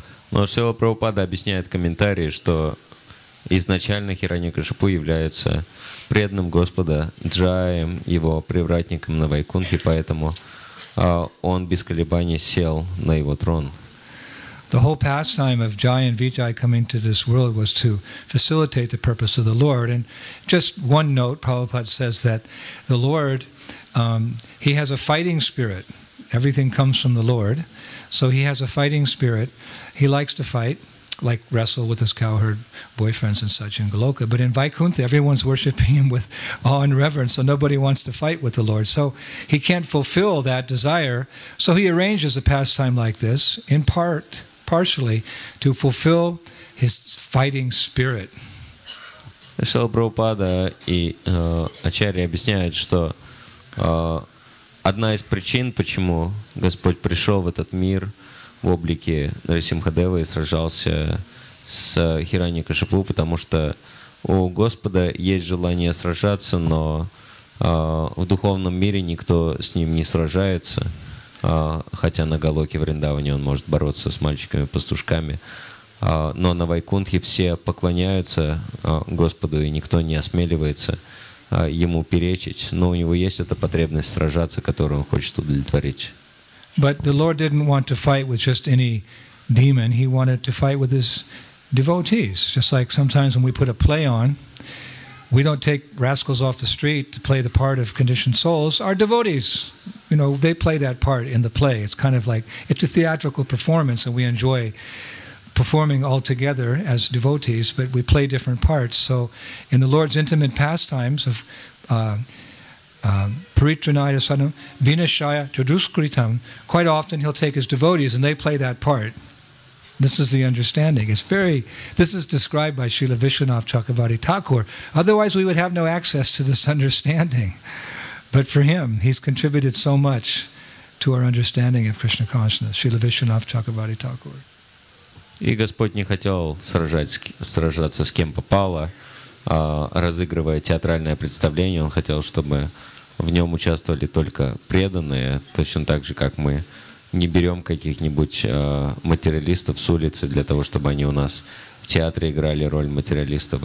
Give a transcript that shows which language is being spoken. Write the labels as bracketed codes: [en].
[ru] Но Шрила Прабхупада объясняет комментарии, что изначально Хираньякашипу является преданным Господа Джаем, его привратником на Вайкунхе, поэтому он без колебаний сел на его трон. [en] The whole pastime of Jaya and Vijay coming to this world was to facilitate the purpose of the Lord. And just one note, Prabhupada says that the Lord, he has a fighting spirit. Everything comes from the Lord. So he has a fighting spirit. He likes to fight, like wrestle with his cowherd boyfriends and such in Goloka. But in Vaikuntha, everyone's worshiping him with awe and reverence, so nobody wants to fight with the Lord. So he can't fulfill that desire. So he arranges a pastime like this, in part, partially, to fulfill his fighting spirit. [ru] Шрила Прабхупада и Ачарья объясняют, что одна из причин, почему Господь пришел в этот мир в облике Нарисимхадева и сражался с Хираньякашипу, потому что у Господа есть желание сражаться, но в духовном мире никто с ним не сражается, хотя на Голоке Вриндаване он может бороться с мальчиками-пастушками. Но на Вайкунтхе все поклоняются Господу, и никто не осмеливается ему перечить. Но у него есть эта потребность сражаться, которую он хочет удовлетворить. [en] But the Lord didn't want to fight with just any demon. He wanted to fight with his devotees. Just like sometimes when we put a play on, we don't take rascals off the street to play the part of conditioned souls. Our devotees, you know, they play that part in the play. It's kind of like, it's a theatrical performance and we enjoy performing all together as devotees, but we play different parts. So in the Lord's intimate pastimes of Paritranaya Sadam, Vinashaya Chaduskritam, quite often he'll take his devotees and they play that part. This is the understanding. It's very, this is described by Srila Vishwanath Chakravarti Thakur. Otherwise, we would have no access to this understanding. But for him, he's contributed so much to our understanding of Krishna consciousness. Srila Vishwanath Chakravarti Thakur. [ru] И Господь не хотел сражаться с кем попало, разыгрывая театральное представление. Он хотел, чтобы в нем участвовали только преданные, точно так же, как мы не берем каких-нибудь материалистов с улицы для того, чтобы они у нас в театре играли роль материалистов.